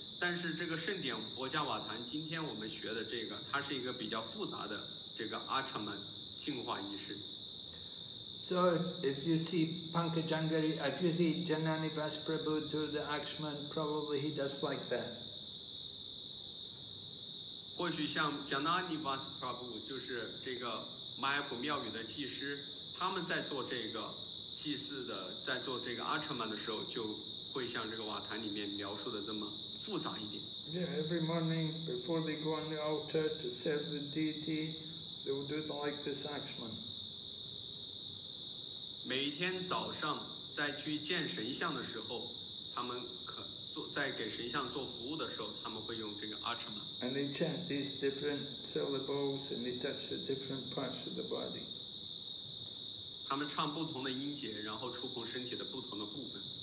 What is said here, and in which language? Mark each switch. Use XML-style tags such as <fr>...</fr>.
<zh>但是这个圣典博伽瓦坛今天我们学的这个，它是一个比较复杂的这个阿彻曼净化仪式。</zh> <en>So if you see Pankajangari, if you see Janani Vasprabhu to the Akshman, probably he does like that.</en> <zh>或许像 Janani Vasprabhu 就是这个马雅普庙宇的祭师，他们在做这个祭祀的，在做这个阿彻曼的时候，就会像这个瓦坛里面描述的这么复杂一点。</zh> <en>Yeah, every morning before they go on the altar to serve the deity, they will do it like this Akshman.</en> <zh>每一天早上在去见神像的时候，他们可做在给神像做服务的时候，他们会用这个阿彻曼。</zh> <en>And they chant these different syllables and they touch the different parts of the body.</en> <zh>他们唱不同的音节，然后触碰身体的不同的部分。</zh>